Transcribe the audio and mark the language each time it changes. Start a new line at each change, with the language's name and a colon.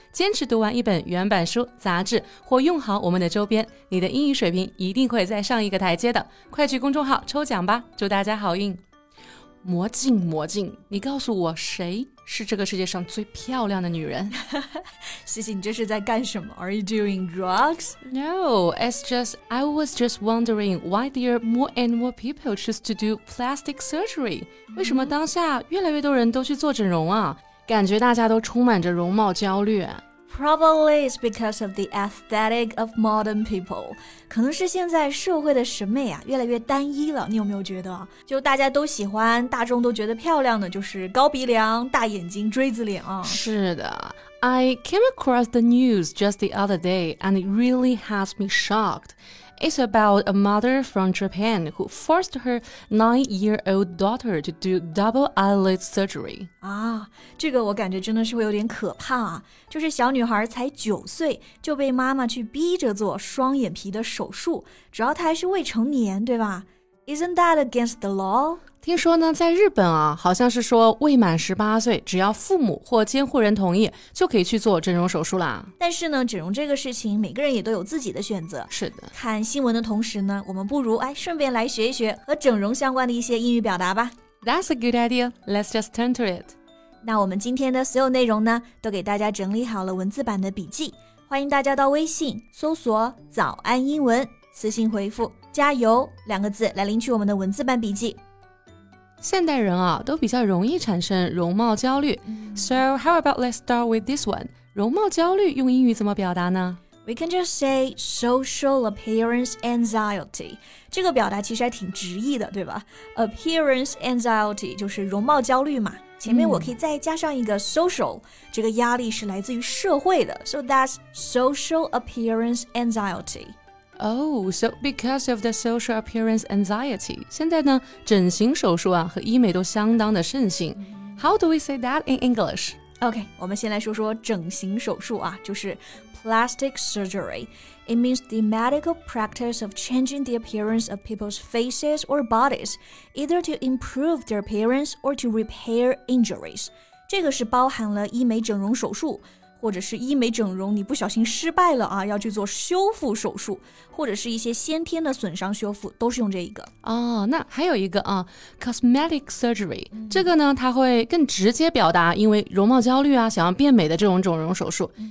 Chinese: 坚持读完一本原版书、杂志，或用好我们的周边，你的英语水平一定会再上一个台阶的。快去公众号抽奖吧，祝大家好运。魔镜，魔镜，你告诉我谁是这个世界上最漂亮的女人？西西，你这是在干什么？
English: Are you doing drugs? No, it's just, I was just wondering why there are more and more people choose to do plastic surgery.
Chinese: 为什么当下越来越多人都去做整容啊？感觉大家都充满着容貌焦虑。
English: Probably it's because of the aesthetic of modern people.
Chinese: 可能是现在社会的审美啊越来越单一了，你有没有觉得？就大家都喜欢，大众都觉得漂亮的，就是高鼻梁、大眼睛、锥子脸啊。是的。
English: I came across the news just the other day and it really has me shocked. It's about a mother from Japan who forced her 9-year-old daughter to do double eyelid surgery.
Chinese: 啊，这个我感觉真的是会有点可怕啊。就是小女孩才九岁就被妈妈去逼着做双眼皮的手术，主要她还是未成年，对吧？
English: Isn't that against the law?
Chinese: 听说呢，在日本啊，好像是说未满18岁，只要父母或监护人同意，就可以去做整容手术啦。但是呢，整容这个事情，每个人也都有自己的选择。是的。看新闻的同时呢，我们不如哎，顺便来学一学和整容相关的一些英语表达吧。
English: That's a good idea. Let's just turn to it.
Chinese: 那我们今天的所有内容呢，都给大家整理好了文字版的笔记。欢迎大家到微信搜索“早安英文”，私信回复加油两个字来领取我们的文字版笔记。现代人啊都比较容易产生容貌焦虑。
English: So how about let's start with this one.
Chinese: 容貌焦虑用英语怎么表达呢？
English: We can just say social appearance anxiety.
Chinese: 这个表达其实还挺直译的，对吧？ Appearance anxiety 就是容貌焦虑嘛。前面我可以再加上一个 social, 这个压力是来自于社会的。
English: So that's social appearance anxiety Oh, so because of the social appearance anxiety,
Chinese: 现在呢，整形手术啊和医美都相当的盛行。
English: How do we say that in English?
Chinese: Okay, 我们先来说说整形手术啊，就是 plastic surgery.
English: It means the medical practice of changing the appearance of people's faces or bodies, either to improve their appearance or to repair injuries.
Chinese: 这个是包含了医美整容手术。或者是医美整容你不小心失败了啊，要去做修复手术，或者是一些先天的损伤修复，都是用这一个。哦，那还有一个啊 cosmetic surgery,这个呢它会更直接表达因为容貌焦虑啊想要变美的这种整容手术。